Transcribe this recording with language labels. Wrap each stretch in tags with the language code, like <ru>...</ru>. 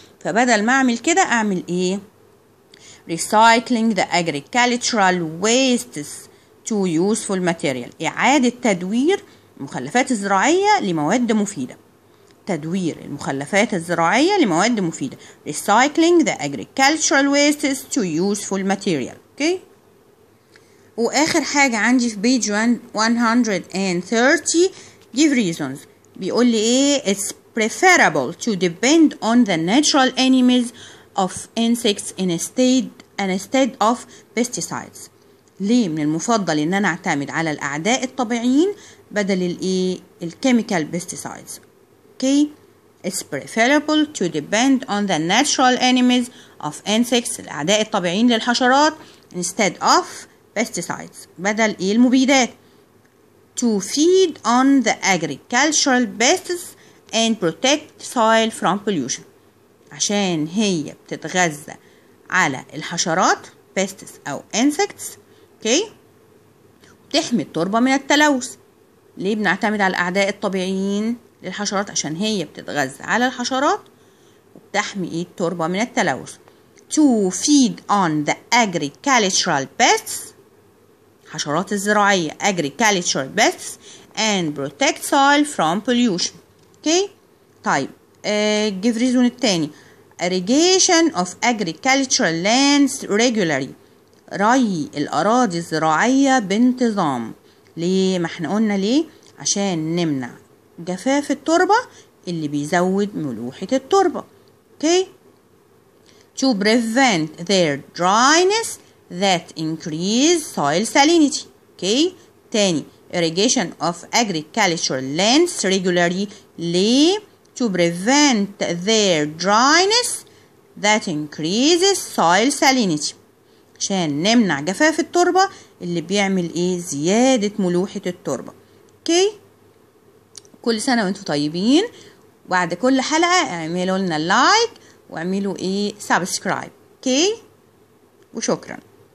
<ar>فبدل ما اعمل كده اعمل ايه</ar> <en>recycling the agricultural wastes to useful material،</en> <ar>اعادة تدوير المخلفات الزراعية لمواد مفيدة. تدوير المخلفات الزراعية لمواد مفيدة</ar> <en>recycling the agricultural wastes to useful material. okay</en> <ar>واخر حاجة عندي في</ar> <en>page 130 give reasons</en> <ar>بيقول لي ايه</ar> <en>it's preferable to depend on the natural enemies of insects instead of pesticides.</en> <ar>ليه من المفضل ان انا اعتمد على الاعداء الطبيعيين بدل الايه الكيميكال pesticides.</ar> <en>okay it's preferable to depend on the natural enemies of insects</en> <ar>الاعداء الطبيعيين للحشرات</ar> <en>instead of pesticides</en> <ar>بدل ايه المبيدات.</ar> <en>to feed on the agricultural pests and protect soil from pollution</en> <ar>عشان هي بتتغذى على الحشرات</ar> <en>pests او insects.</en> <ar>okay بتحمي التربة من التلوث. ليه بنعتمد على الاعداء الطبيعيين للحشرات؟ عشان هي بتتغذى على الحشرات وبتحمي التربة من التلوث.</ar> <en>to feed on the agricultural pests</en> <ar>حشرات الزراعية</ar> <en>agricultural pests and protect soil from pollution. okay طيب</en> <ar>الجفريزون الثاني</ar> <en>irrigation of agricultural lands regularly،</en> <ar>ري الأراضي الزراعية بانتظام. ليه؟ ما احنا قلنا ليه؟ عشان نمنع جفاف التربة اللي بيزود ملوحة التربة.</ar> <en>okay to prevent their dryness that increase soil salinity. okay</en> <ar>تاني</ar> <en>irrigation of agricultural lands regularly ليه؟ to prevent their dryness that increases soil salinity،</en> <ar>عشان نمنع جفاف التربة اللي بيعمل ايه؟ زيادة ملوحة التربة. okay كل سنة وانتوا طيبين، بعد كل حلقة اعملوا لنا لايك واعملوا ايه؟ سبسكرايب. اوكي وشكراً.</ar>